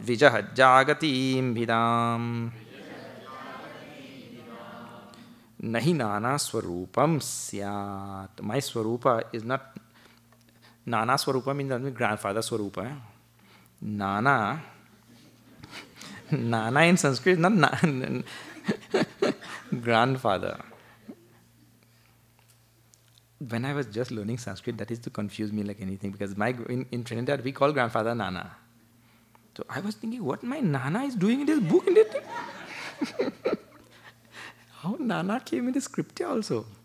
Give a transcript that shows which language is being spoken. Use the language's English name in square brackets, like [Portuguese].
[Sanskrit] विजहज्जागतीभिदाम् नहि नानास्वरूपम् स्यात्. [English] My swarup is not nana swarup means that mean grandfather swarup है. Nana nana in Sanskrit is not grandfather. When I was just learning Sanskrit, that is to confuse me like anything, because in Trinidad, we call grandfather Nana. So I was thinking, what my Nana is doing in this book? In this? How Nana came in the scripture also?